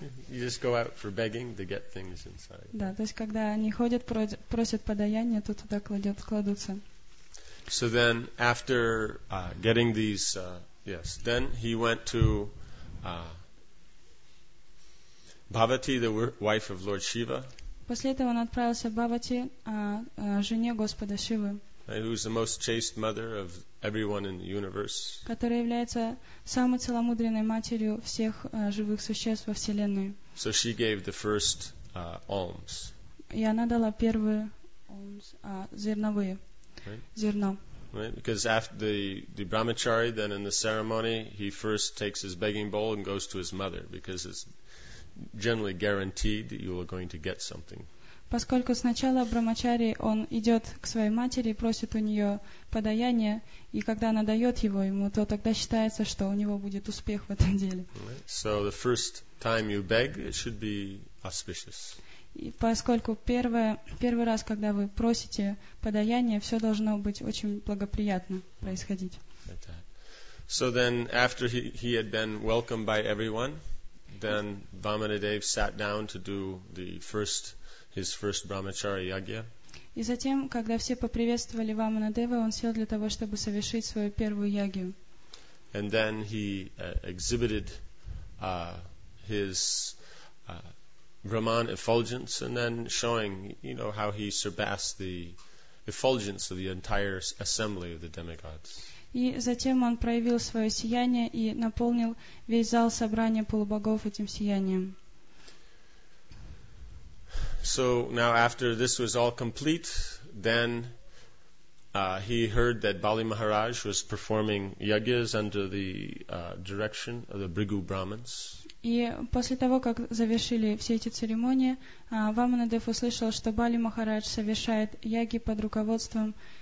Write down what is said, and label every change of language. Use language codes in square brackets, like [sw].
[en] You just go out for begging to get things inside. [ru] Да, то есть когда они ходят, просят подаяние, то туда кладутся. [en] So then, after getting these, yes, then he went to Bhavati, the wife of Lord Shiva. [ru] После этого он отправился к Бхавати, жене Господа Шивы. [en] who is the most chaste mother of everyone in the universe, [ru] которая является самой целомудренной матерью всех живых существ во вселенной. [en] So she gave the first alms. [ru] И она дала первые зерновые зерно. [en] Right? Because after the brahmachari, then in the ceremony, he first takes his begging bowl and goes to his mother, because it's generally guaranteed that you are going to get something. [ru] Поскольку сначала брамачари он идет к своей матери и просит у нее подаяние, и когда она дает его ему, то тогда считается, что у него будет успех в этом деле. [en] So the first time you beg, it should be auspicious. [ru] И поскольку первый раз, когда вы просите подаяние, все должно быть очень благоприятно происходить. [en] So then, after he had been welcomed by everyone, then Vamanadeva sat down to do his first brahmachari yagya. [ru] И затем, когда все поприветствовали Ваманадева, он сел для того, чтобы совершить свою первую ягью. [en] And then he exhibited his brahman effulgence, and then showing, you know, how he surpassed the effulgence of the entire assembly of the demigods. [ru] И затем он проявил свое сияние и наполнил весь зал собрания полубогов этим сиянием. [en] So now, after this was all complete, then he heard that Bali Maharaj was performing yagyas under the direction of the Bhrigu Brahmins. [ru] И после того, как завершили все эти церемонии, Ваманадев услышал, что Бали Махарадж совершает яги под руководством.